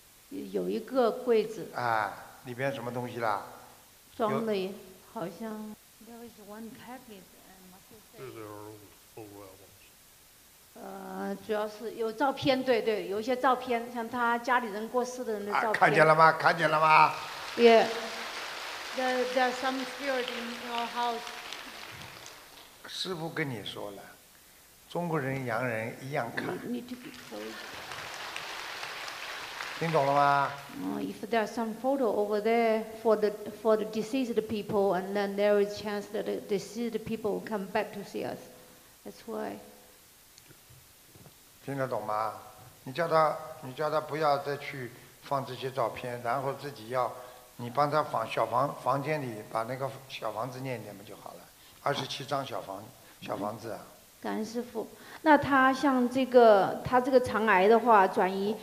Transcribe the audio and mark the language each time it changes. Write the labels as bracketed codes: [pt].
[zh] 有一个柜子。啊，里边什么东西啦？装的好像。 [en] There is one cabinet and muscle. Is there a room? Oh well. [zh] 主要是有照片，对对，有一些照片，像他家里人过世的人的照片。啊、看见了吗？看见了吗 [en] ？Yeah, there are some spirit in our house. [zh] 师父跟你说了，中国人、洋人一样看。 [en] You need to be close. [zh] 听懂了吗？ [en] If there are some photo over there for the deceased people, and then there is chance that the deceased people will come back to see us. That's why. [zh] 听得懂吗？你叫他不要再去放这些照片，然后自己要你帮他放小房间里，把那个小房子念一念不就好了？ 27张小房子啊。感恩师父，那他像这个他这个肠癌的话转移，